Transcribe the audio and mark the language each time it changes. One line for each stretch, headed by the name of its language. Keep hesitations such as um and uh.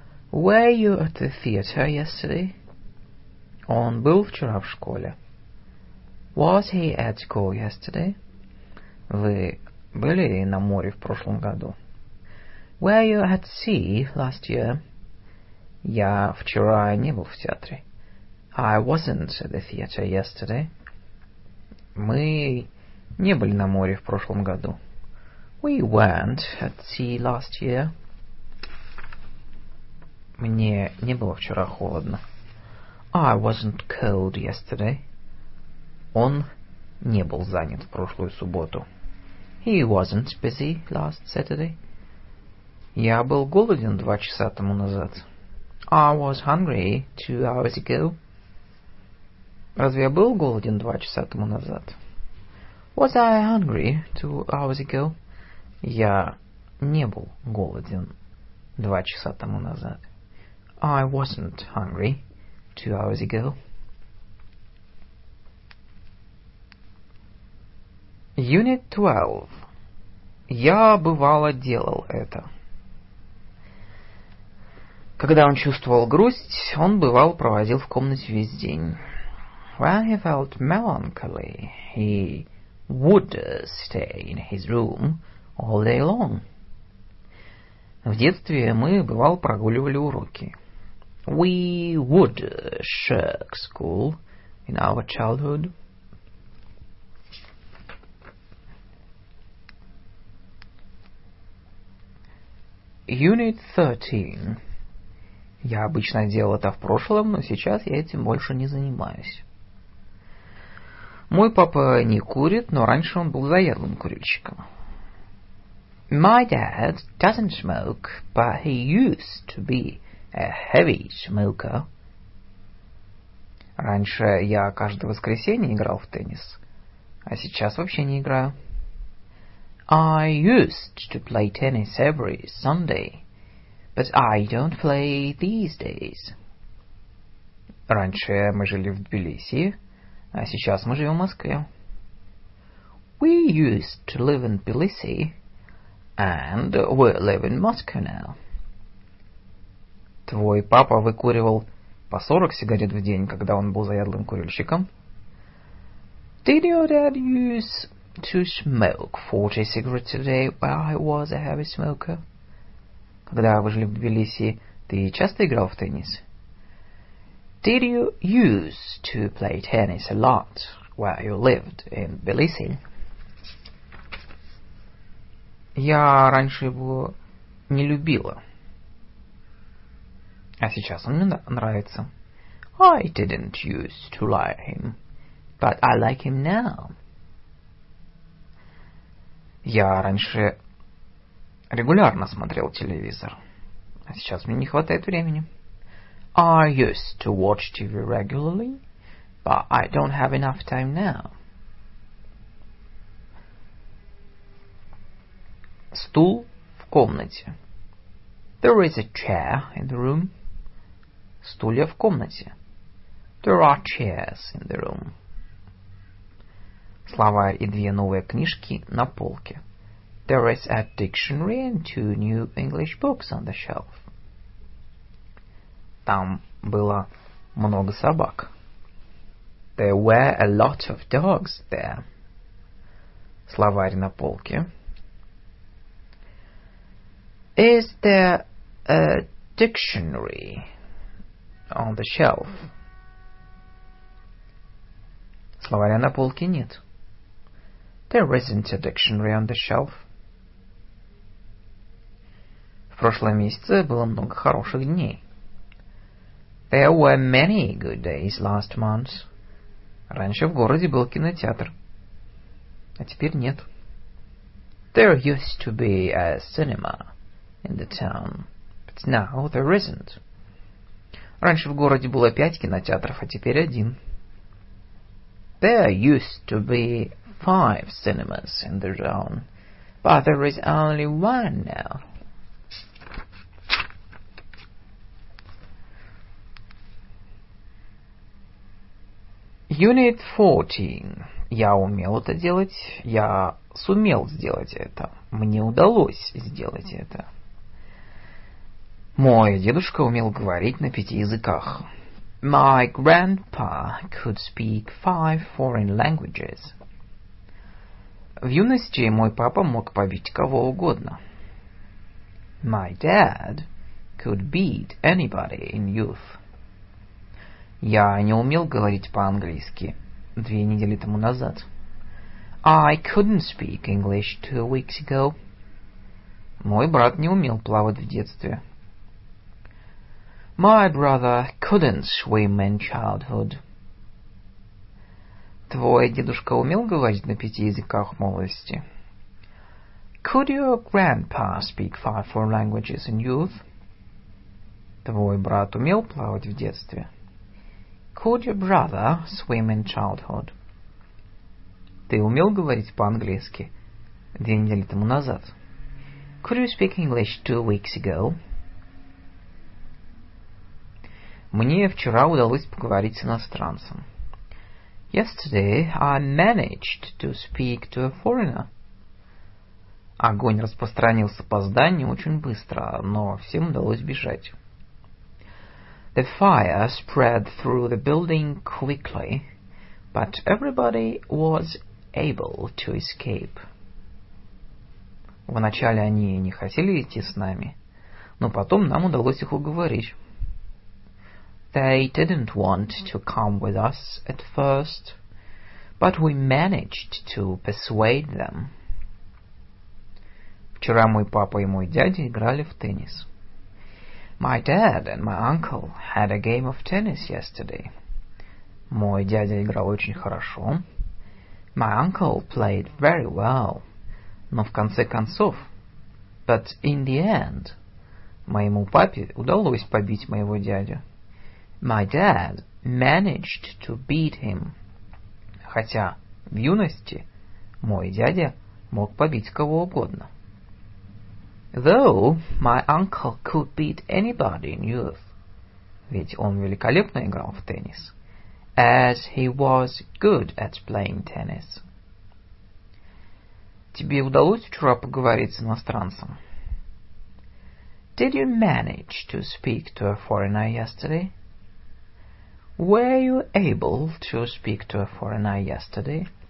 English: Were you at the theater yesterday?
Russian: Он был вчера в школе.
English: Was he at school yesterday?
Russian: Вы были на море в прошлом году?
English: Were you at sea last year?
Russian: Я вчера не был в театре.
English: I wasn't at the theater yesterday.
Russian: Мы не были на море в прошлом году.
English: We weren't at sea last year.
Russian: Мне не было вчера холодно.
English: I wasn't cold yesterday.
Russian: Он не был занят в прошлую субботу.
English: He wasn't busy last Saturday.
Russian: Я был голоден два часа тому назад.
English: I was hungry two hours ago.
Russian: Разве я был голоден два часа тому назад?
English: Was I hungry two hours ago?
Russian: Я не был голоден два часа тому назад.
English: I wasn't hungry two hours ago. Unit 12.
Russian: Я бывало делал это. Когда он чувствовал грусть, он бывал проводил в комнате весь день.
English: When he felt melancholy, he would stay in his room all day long.
Russian: В детстве мы, бывал, прогуливали уроки.
English: We would shirk school in our childhood. Unit 13.
Russian: Я обычно делал это в прошлом, но сейчас я этим больше не занимаюсь. Мой папа не курит, но раньше он был заядлым курильщиком.
English: My dad doesn't smoke, but he used to be a heavy smoker.
Russian: Раньше я каждое воскресенье играл в теннис, а сейчас вообще не играю.
English: I used to play tennis every Sunday, but I don't play these days.
Russian: Раньше мы жили в Тбилиси, а сейчас мы живем в Москве.
English: We used to live in Tbilisi, and we live in Moscow now.
Russian: Твой папа выкуривал по 40 сигарет в день, когда он был заядлым курильщиком.
English: Did your dad use to smoke 40 cigarettes a day while I was a heavy smoker?
Russian: Когда вы жили в Тбилиси, ты часто играл в теннис?
English: Did you used to play tennis a lot while you lived in Tbilisi?
Russian: Я раньше его не любила. А сейчас он мне нравится.
English: I didn't used to like him, but I like him now.
Russian: Я раньше регулярно смотрел телевизор, а сейчас мне не хватает времени.
English: I used to watch TV regularly, but I don't have enough time now.
Russian: Стул в комнате.
English: There is a chair in the room.
Russian: Стулья в комнате.
English: There are chairs in the room.
Russian: Словарь и две новые книжки на полке.
English: There is a dictionary and two new English books on the shelf.
Russian: Там было много собак.
English: There were a lot of dogs there.
Russian: Словарь на полке.
English: Is there a dictionary on the shelf?
Russian: Словаря на полке нет.
English: There isn't a dictionary on the shelf.
Russian: В прошлом месяце было много хороших дней.
English: There were many good days last month.
Russian: Раньше в городе был кинотеатр, а теперь нет.
English: There used to be a cinema in the town, but now there isn't.
Russian: Раньше в городе было пять кинотеатров, а теперь один.
English: There used to be five cinemas in the town, but there is only one now. Unit 14.
Russian: Я умел это делать, я сумел сделать это. Мне удалось сделать это. Мой дедушка умел говорить на пяти языках.
English: My grandpa could speak five foreign languages.
Russian: В юности мой папа мог побить кого угодно.
English: My dad could beat anybody in youth.
Russian: Я не умел говорить по-английски две недели тому назад.
English: I couldn't speak English two weeks ago.
Russian: Мой брат не умел плавать в детстве.
English: My brother couldn't swim in childhood.
Russian: Твой дедушка умел говорить на пяти языках в молодости?
English: Could your grandpa speak five foreign languages in youth?
Russian: Твой брат умел плавать в детстве?
English: Could your brother swim in childhood?
Russian: Ты умел говорить по-английски две недели тому назад?
English: Could you speak English two weeks ago?
Russian: Мне вчера удалось поговорить с иностранцем.
English: Yesterday I managed to speak to a foreigner.
Russian: Огонь распространился по зданию очень быстро, но всем удалось бежать.
English: The fire spread through the building quickly, but everybody was able to escape.
Russian: Вначале они не хотели идти с нами, но потом нам удалось их уговорить.
English: They didn't want to come with us at first, but we managed to persuade them.
Russian: Вчера мой папа и мой дядя играли в теннис.
English: My dad and my uncle had a game of tennis yesterday.
Russian: Мой дядя играл очень хорошо.
English: My uncle played very well.
Russian: Но в конце концов,
English: but in the end,
Russian: моему папе удалось побить моего дядю.
English: My dad managed to beat him.
Russian: Хотя в юности мой дядя мог побить кого угодно.
English: Though my uncle could beat anybody in youth.
Russian: Ведь он великолепно играл в теннис.
English: As he was good at playing tennis.
Russian: Тебе удалось вчера поговорить с иностранцем?
English: Did you manage to speak to a foreigner yesterday? Were you able to speak to a foreigner yesterday?